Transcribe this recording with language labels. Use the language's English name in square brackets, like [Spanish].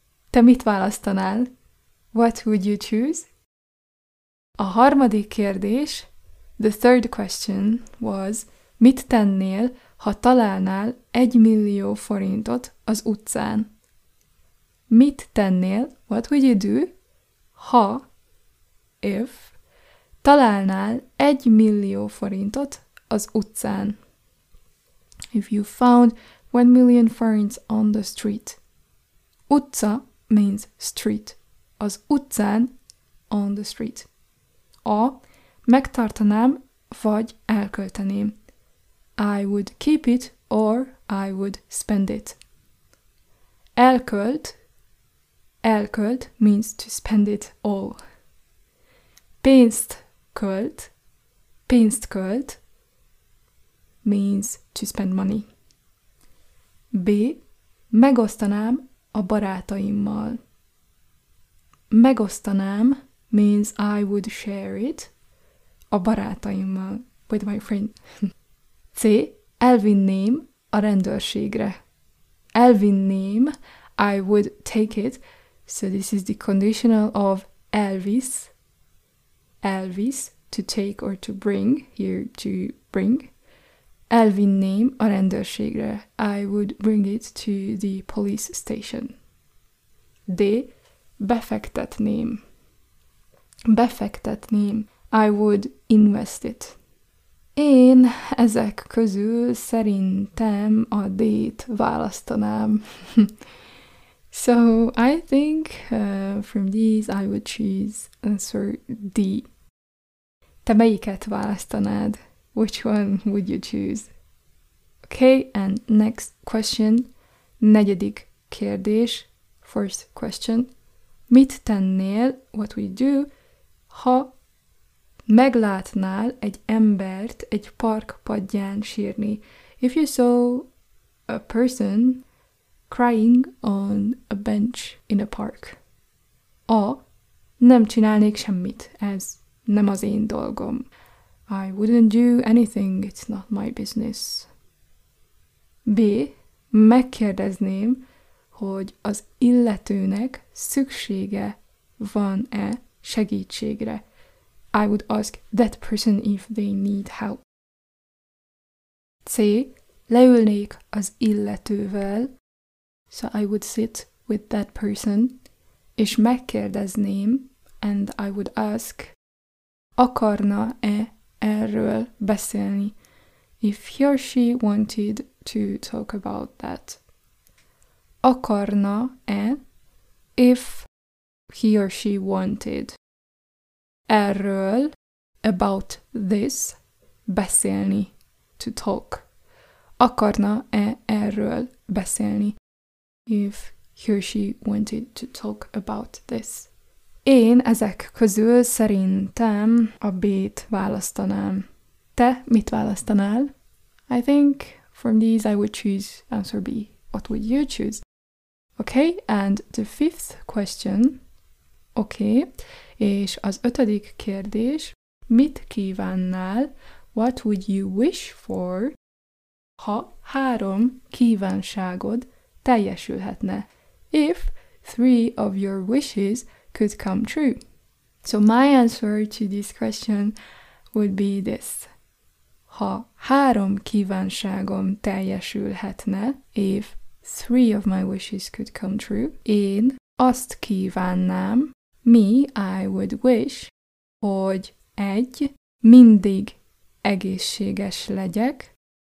[Hungarian] Te mit választanál? [English] What would you choose? [Hungarian] A harmadik kérdés, [English] the third question was, [Hungarian] mit tennél, ha találnál 1 millió forintot az utcán? Mit tennél, [English] what would you do, [Hungarian] ha, [English] if, [Hungarian] találnál 1 millió forintot az utcán? [English] If you found 1 million forints on the street. Utca means street. [Hungarian] Az utcán, [English] on the street. A. [Hungarian] Megtartanám, vagy elkölteném. [English] I would keep it, or I would spend it. Elkölt. Elkölt means to spend it all. [Hungarian] Pénzt költ [English] means to spend money. B. [Hungarian] Megosztanám a barátaimmal. Megosztanám [English] means I would share it [Hungarian] a barátaimmal, [English] with my friend. C. [Hungarian] Elvinném a rendőrségre. [English] Elvinném, I would take it. So this is the conditional of elvis. Elvis, to take or to bring, here to bring. [Hungarian] Elvinném a rendőrségre. [English] I would bring it to the police station. [Hungarian] D. Befektetném. Befektetném. [English] I would invest it. [Hungarian] Én ezek közül szerintem a D-t választanám. [English] So, I think from these I would choose answer D. [Hungarian] Te melyiket választanád? [English] Which one would you choose? Okay, and next question. [Hungarian] Negyedik kérdés. [English] First question. [Hungarian] Mit tennél, [English] what would you do, [Hungarian] ha meglátnál egy embert egy park padján sírni? [English] If you saw a person crying on a bench in a park. A. [Hungarian] Nem csinálnék semmit, ez nem az én dolgom. [English] I wouldn't do anything, it's not my business. B. [Hungarian] Megkérdezném, hogy az illetőnek szüksége van-e segítségre. [English] I would ask that person if they need help. C. [Hungarian] Leülnék az illetővel, [English] so I would sit with that person, [Hungarian] és megkérdezném, [English] and I would ask, [Hungarian] akarna-e erről beszélni, [English] if he or she wanted to talk about that. [Hungarian] Akarna-e, [English] if he or she wanted, [Hungarian] erről, [English] about this, [Hungarian] beszélni, [English] to talk. [Hungarian] Akarna-e erről beszélni, [English] if he or she wanted to talk about this. [Hungarian] Én ezek közül szerintem a B-t választanám. Te mit választanál? [English] I think from these I would choose answer B. What would you choose? Okay, and the fifth question. [Hungarian] Okay, és az ötödik kérdés. Mit kívánnál? [English] What would you wish for? [Hungarian] Ha 3 kívánságod teljesülhetne. [English] If 3 of your wishes could come true. So my answer to this question would be this. [Hungarian] Ha 3 kívánságom teljesülhetne, [English] if three of my wishes could come true. [Hungarian] Én azt kívánnám, [English] me, I would wish, [Hungarian] hogy egy, mindig egészséges legyek,